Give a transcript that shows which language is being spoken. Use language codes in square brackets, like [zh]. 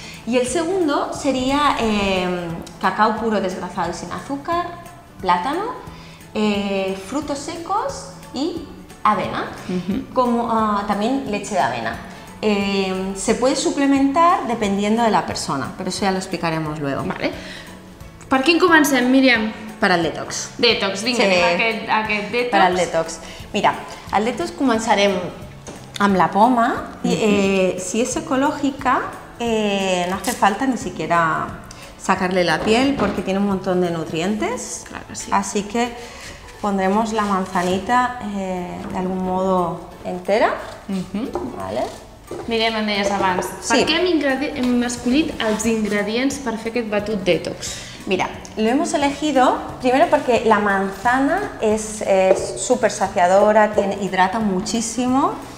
[es] Y el segundo sería cacao puro desgrasado sin azúcar, plátano, frutos secos y avena, como también leche de avena. Se puede suplementar dependiendo de la persona, pero eso ya lo explicaremos luego. Vale. [ca] ¿Per quin comencem, Míriam? Per al detox. Detox, vinga, anem a aquest detox. Per al detox. Mira, al detox començarem amb la poma. Si és ecològica, [es] no hace falta ni siquiera sacarle la piel porque tiene un montón de nutrientes. Claro, sí. Así que pondremos la manzanita de algún modo entera. Vale. [ca] Míriam, em deies abans, sí, per què hem escollit els ingredients per fer aquest batut detox? [es] Mira, lo hemos elegido primero porque la manzana es súper saciadora, hidrata muchísimo.